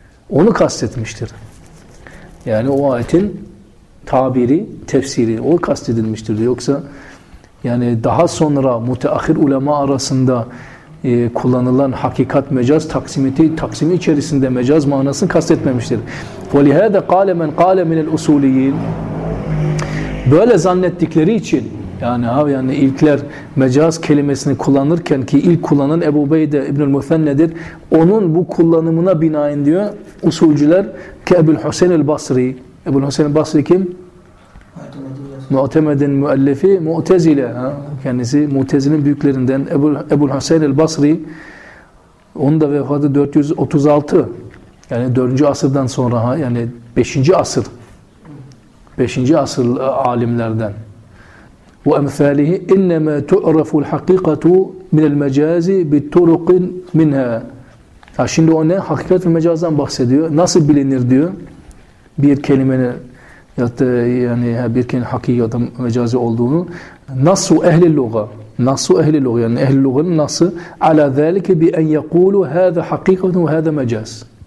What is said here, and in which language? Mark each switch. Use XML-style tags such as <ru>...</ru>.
<tr>Onu kastetmiştir. Yani o ayetin tabiri, tefsiri, o kastedilmiştir. Yoksa yani daha sonra müteahhir ulema arasında kullanılan hakikat mecaz taksimi içerisinde mecaz manasını kastetmemiştir.</tr> <ar>وَلِهَذَا قَالَ مَنْ قَالَ مِنَ الْاُسُولِيِّينَ</ar> <tr>Böyle zannettikleri için Yani abi yani ilkler mecaz kelimesini kullanırken ki ilk kullanan Ebu Beyde İbnül Müfennedir. Onun bu kullanımına binaen diyor usulcüler ki Ebu Hüseyin el Basri. Ebu Hüseyin el Basri kim? Mu'temedin müellefi Mu'tezile. Ha? Kendisi Mu'tezile'nin büyüklerinden Ebu Hüseyin el Basri. Onun da vefatı 436. Yani 4. asırdan sonra ha? Yani 5. asır. 5. asır alimlerden.</tr> <ar>وأمثاله إنما تعرف الحقيقة من المجاز بالطرق منها.</ar> <tr>Ha şimdi o ne? Hakikat ve mecazdan bahsediyor. Nasıl bilinir diyor? Bir kelimenin ya da yani bir kelimenin hakikat ve mecazi olduğunu. Nasu ehli lugha. Nasu ehli lugha yani ehli lugha'nın nası?</tr> <ar>Ala zalike bi en yekulu hâza hakikatun ve hâza mecaz.</ar>